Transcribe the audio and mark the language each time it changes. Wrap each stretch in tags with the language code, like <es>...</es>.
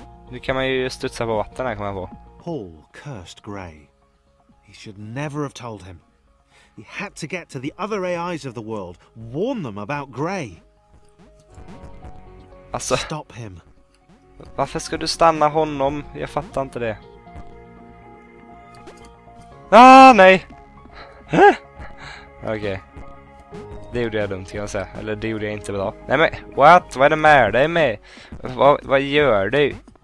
<sv>Nu kan man ju studsa på vatten här, kan man få.</sv> <en>Paul cursed Gray. He should never have told him. He had to get to the other AIs of the world, warn them about Gray.</en> <sv>Alltså,</sv> <en>stop him.</en> <sv>Varför ska du stanna honom? Jag fattar inte det. Ah, nej! Okej. Okay. Det gjorde jag dumt, kan jag säga. Eller det gjorde jag inte bra. Nej, men what? Vad är det med dig med? Vad gör du?</sv>